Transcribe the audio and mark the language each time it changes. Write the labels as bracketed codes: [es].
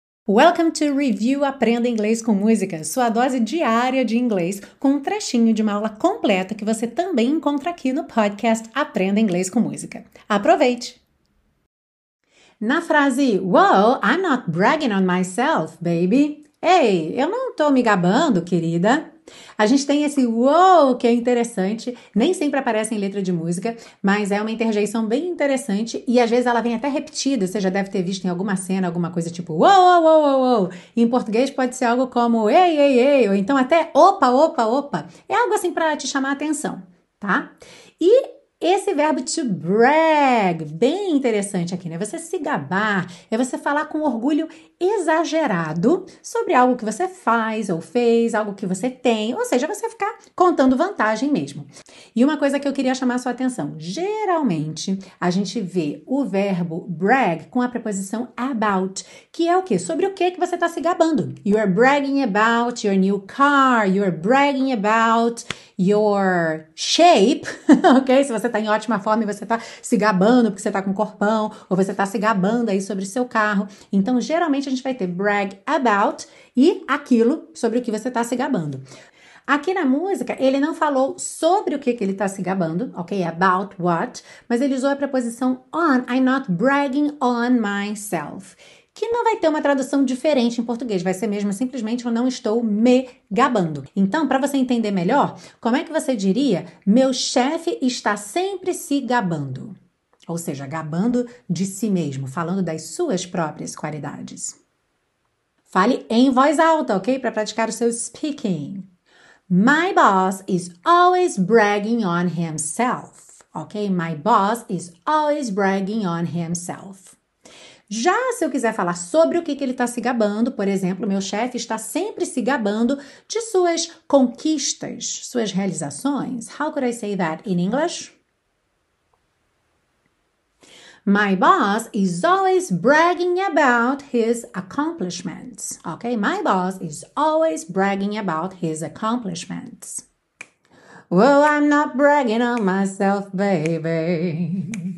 [en] Welcome to Review [pt] Aprenda Inglês com Música, sua dose diária de inglês, com um trechinho de uma aula completa que você também encontra aqui no podcast Aprenda Inglês com Música. Aproveite! Na frase, [en] "Whoa, I'm not bragging on myself, baby." [pt] Ei, eu não tô me gabando, querida. A gente tem esse "whoa" que é interessante, nem sempre aparece em letra de música, mas é uma interjeição bem interessante e às vezes ela vem até repetida, você já deve ter visto em alguma cena, alguma coisa tipo "whoa, whoa, whoa, whoa, whoa". Em português pode ser algo como "ei, ei, ei", ou então até "opa, opa, opa". É algo assim para te chamar a atenção, tá? E esse verbo to brag, bem interessante aqui, né? Você se gabar, é você falar com orgulho exagerado sobre algo que você faz ou fez, algo que você tem, ou seja, você ficar contando vantagem mesmo. E uma coisa que eu queria chamar a sua atenção, geralmente a gente vê o verbo brag com a preposição about, que é o quê? Sobre o quê que você está se gabando? [en] You are bragging about your new car, you are bragging about your shape, ok? [pt] Se você está em ótima forma e você está se gabando porque você está com corpão, ou você está se gabando aí sobre seu carro. Então, geralmente a gente vai ter brag about e aquilo sobre o que você está se gabando. Aqui na música, ele não falou sobre o que ele está se gabando, ok? [en] About what, [pt] mas ele usou a preposição on, [en] I'm not bragging on myself, [pt] que não vai ter uma tradução diferente em português, vai ser mesmo simplesmente eu não estou me gabando. Então, para você entender melhor, como é que você diria meu chefe está sempre se gabando? Ou seja, gabando de si mesmo, falando das suas próprias qualidades. Fale em voz alta, ok? Para praticar o seu speaking. [en] My boss is always bragging on himself, ok? My boss is always bragging on himself. [pt] Já se eu quiser falar sobre o que ele está se gabando, por exemplo, meu chefe está sempre se gabando de suas conquistas, suas realizações. [en] How could I say that in English? My boss is always bragging about his accomplishments. Okay, my boss is always bragging about his accomplishments. Well, I'm not bragging on myself, baby.